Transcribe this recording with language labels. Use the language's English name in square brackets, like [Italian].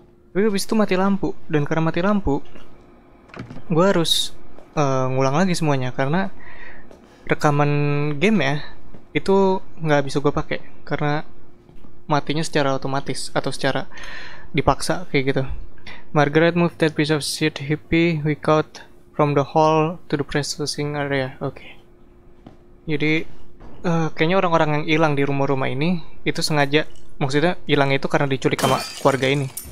[Indonesian] Tapi habis itu mati lampu, dan karena mati lampu, gue harus ngulang lagi semuanya karena rekaman game ya itu nggak bisa gue pakai karena matinya secara otomatis atau secara dipaksa kayak gitu. [English] Margaret moved that piece of shit hippie we caught from the hall to the processing area. [Indonesian] Oke. Jadi kayaknya orang-orang yang hilang di rumah-rumah ini itu sengaja, maksudnya hilang itu karena diculik sama keluarga ini.